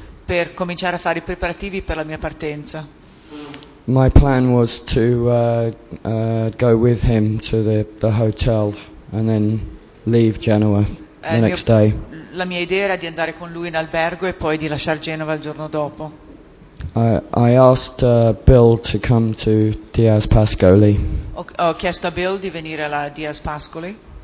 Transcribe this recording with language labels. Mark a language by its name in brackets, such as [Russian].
[Italian] Per cominciare a fare i preparativi per la mia partenza. [English] My plan was to go with him to the hotel and then leave Genoa the next day. [Italian] La mia idea era di andare con lui in albergo e poi di lasciare Genova il giorno dopo. [English] I asked Bill to come to Diaz Pascoli. [Italian] Ho chiesto a Bill di venire alla Diaz Pascoli.